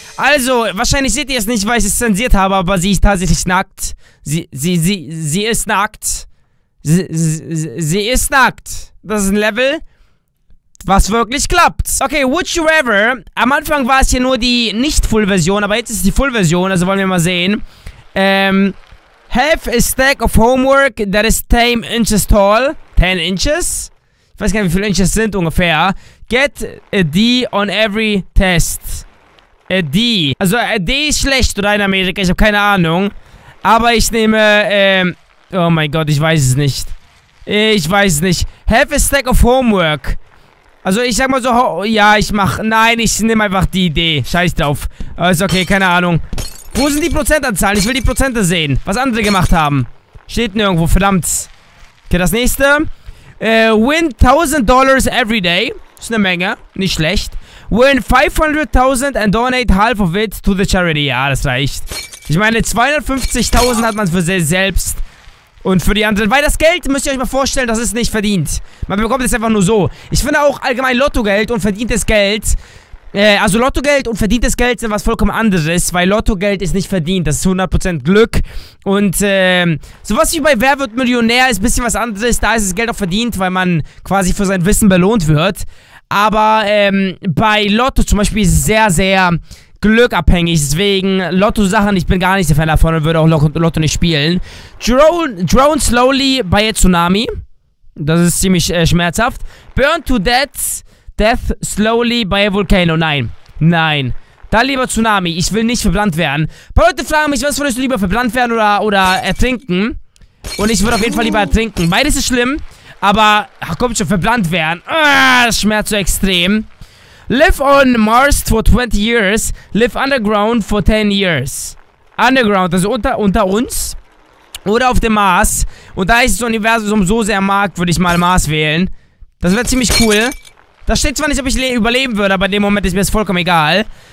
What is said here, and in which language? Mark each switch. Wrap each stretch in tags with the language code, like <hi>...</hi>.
<de>Also, wahrscheinlich seht ihr es nicht, weil ich es zensiert habe, aber sie ist tatsächlich nackt. Sie ist nackt. Sie ist nackt. Das ist ein Level, was wirklich klappt. Okay,</de> <en>would you ever...</en> <de>Am Anfang war es hier nur die Nicht-Full-Version, aber jetzt ist es die Full-Version, also wollen wir mal sehen.</de> <en>Have a stack of homework that is 10 inches tall. 10 inches?</en> <de>Ich weiß gar nicht, wie viele Inches sind ungefähr.</de> <en>Get a D on every test. A D.</en> <de>Also, a D ist schlecht, oder in Amerika? Ich habe keine Ahnung. Aber ich nehme, oh mein Gott, ich weiß es nicht. Ich weiß es nicht.</de> <en>Have a stack of homework.</en> <de>Also, ich sag mal so, ja, ich mach. Nein, ich nehme einfach die Idee. Scheiß drauf. Ist okay, keine Ahnung. Wo sind die Prozentanzahlen? Ich will die Prozente sehen. Was andere gemacht haben. Steht nirgendwo, verdammt. Okay, das nächste.</de> <en>Win $1,000 every day.</en> <de>Ist eine Menge. Nicht schlecht.</de> <en>Win 500,000 and donate half of it to the charity.</en> <de>Ja, das reicht. Ich meine, 250,000 hat man für sich selbst. Und für die anderen. Weil das Geld, müsst ihr euch mal vorstellen, das ist nicht verdient. Man bekommt es einfach nur so. Ich finde auch allgemein Lottogeld und verdientes Geld. Also Lottogeld und verdientes Geld sind was vollkommen anderes, weil Lottogeld ist nicht verdient, das ist 100% Glück. Und sowas wie bei Wer wird Millionär ist ein bisschen was anderes, da ist das Geld auch verdient, weil man quasi für sein Wissen belohnt wird. Aber bei Lotto zum Beispiel ist es sehr, sehr glückabhängig, deswegen Lotto-Sachen, ich bin gar nicht so Fan davon und würde auch Lotto nicht spielen.</de> <en>Drone slowly by a tsunami,</en> <de>das ist ziemlich schmerzhaft.</de> <en>Burn to death. Death slowly by a volcano.</en> <de>Nein. Nein. Da lieber Tsunami. Ich will nicht verbrannt werden. Ein paar Leute fragen mich, was würdest du lieber verbrannt werden oder ertrinken? Und ich würde auf jeden Fall lieber ertrinken. Beides ist schlimm. Aber, ach komm schon, verbrannt werden. Das schmerzt so extrem.</de> <en>Live on Mars for 20 years. Live underground for 10 years.</en> <de>Underground, also unter uns. Oder auf dem Mars. Und da ich das Universum so sehr mag, würde ich mal Mars wählen. Das wäre ziemlich cool. Da steht zwar nicht, ob ich überleben würde, aber in dem Moment ist mir das vollkommen egal.</de>